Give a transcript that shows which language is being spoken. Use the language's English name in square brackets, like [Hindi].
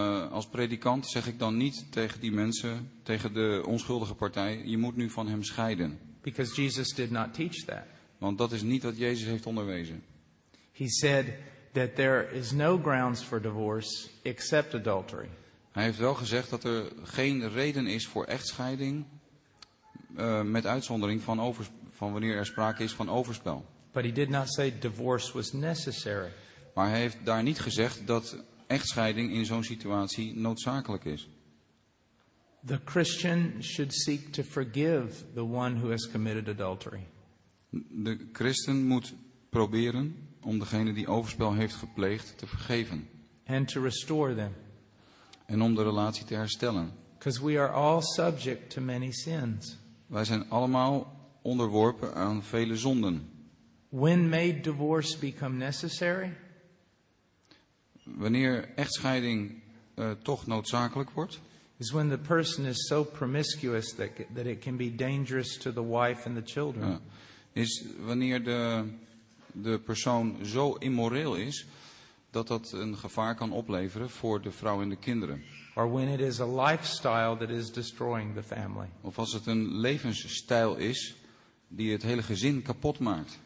[Dutch] Als predikant zeg ik dan niet tegen die mensen, tegen de onschuldige partij, je moet nu van hem scheiden. [English] Because Jesus did not teach that. [Dutch] Want dat is niet wat Jezus heeft onderwezen. [English] He said that there is no grounds for divorce except adultery. [Dutch] Hij heeft wel gezegd dat er geen reden is voor echtscheiding met uitzondering van wanneer er sprake is van overspel. [English] But he did not say divorce was necessary. [Dutch] Maar hij heeft daar niet gezegd dat echtscheiding in zo'n situatie noodzakelijk is. [English] The Christian should seek to forgive the one who has committed adultery. [Dutch] De christen moet proberen om degene die overspel heeft gepleegd te vergeven. [English] And to restore them. [Dutch] En om de relatie te herstellen. [English] Because we are all subject to many sins. [Dutch] Wij zijn allemaal onderworpen aan vele zonden. [English] When may divorce become necessary? [Dutch] Wanneer echtscheiding toch noodzakelijk wordt? [English] Is when the person is so promiscuous that it can be dangerous to the wife and the children. [Dutch] Ja. Is wanneer de persoon zo immoreel is dat dat een gevaar kan opleveren voor de vrouw en de kinderen. [English] Or when it is a lifestyle that is destroying the family. [Dutch] Of als het een levensstijl is die het hele gezin kapot maakt.